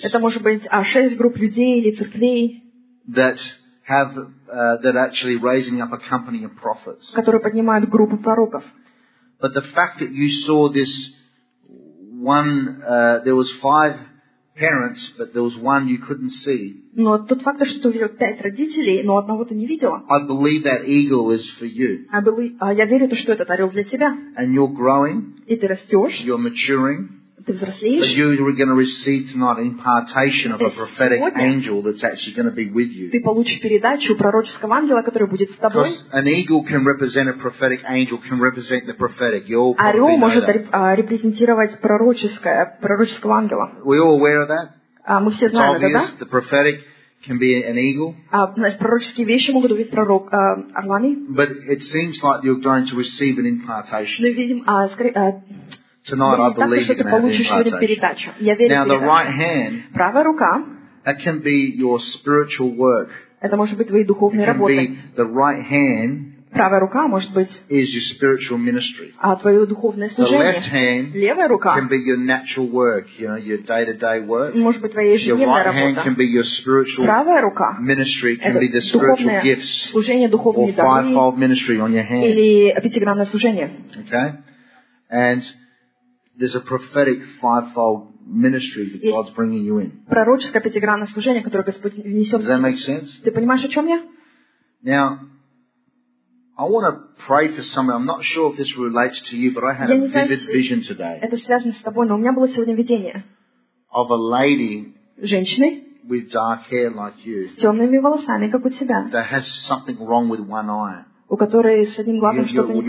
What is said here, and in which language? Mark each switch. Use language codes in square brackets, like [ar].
[ru] Это может быть шесть групп людей или церквей. [en] That actually raising up a company of prophets. [ru] Которые поднимают группу пророков. [en] But the fact that you saw this one, there was five parents, but there was one you couldn't see. [ru] Но тот факт, что ты увидел пять родителей, но одного ты не видела. [en] I believe that eagle is for you. [ru] Я верю, что этот орел для тебя. [en] And you're growing. [ru] И ты растешь. [en] You're maturing. [ru] Ты взрослеешь. [en] But you are going to receive tonight an impartation of a prophetic angel that's actually going to be with you. [ru] Ты получишь передачу пророческого ангела, который будет с тобой. [en] Because an eagle can represent a prophetic angel, can represent the prophetic. [ru] Орел может репрезентировать пророческого ангела. [en] We all aware of that? [ru] Мы все знаем это, да? [en] The prophetic can be an eagle. [ru] Пророческие вещи могут быть орлами. [en] But it seems like you're going to receive an impartation. [ru] Мы видим, [en] tonight, I believe you're going to have an impartation. Now, the right hand, [ru] правая рука, [en] that can be your spiritual work. [ru] Это может быть твои духовные работы. [en] Can be the right hand, [ru] правая рука, может быть, [en] is your spiritual ministry. [ru] А твое духовное служение. [en] The left hand, [ru] левая рука, [en] can be your natural work, you know, your day-to-day work. [ru] Может быть, твоя ежедневная работа. [en] Your right hand can be your spiritual, [ru] правая рука, [en] ministry, can be the spiritual gifts, [ru] служение, духовные дары, [en] or five-fold ministry on your hand. [ru] Или пятигранное служение. [en] Okay? And there's a prophetic five-fold ministry that God's bringing you in. [ru] Пророческое пятигранное служение, которое Господь внесет. [en] Does that make sense? [ru] Ты понимаешь, о чем я? [en] Now, I want to pray for somebody. I'm not sure if this relates to you, but I had a vivid vision today. [ru] Это связано с тобой, но у меня было сегодня видение. [en] Of a lady. [ru] Женщины. [en] With dark hair like you. [ru] С темными волосами, как у тебя. [en] That has something wrong with one eye. [ru] У которой с одним глазом что-то не так.